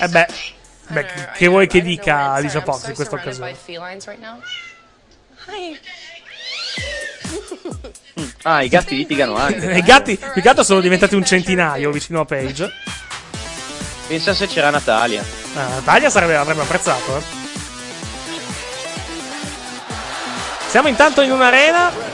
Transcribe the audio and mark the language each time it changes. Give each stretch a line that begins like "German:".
Italian: Beh, che vuoi che dica Alicia Fox in questa occasione?
English: I'm so surrounded by felines right now. Hi.
Italian: Ah, i gatti litigano anche. I gatti sono diventati un centinaio vicino a Paige. Pensa se c'era Natalia. Natalia avrebbe apprezzato. Siamo intanto in un'arena.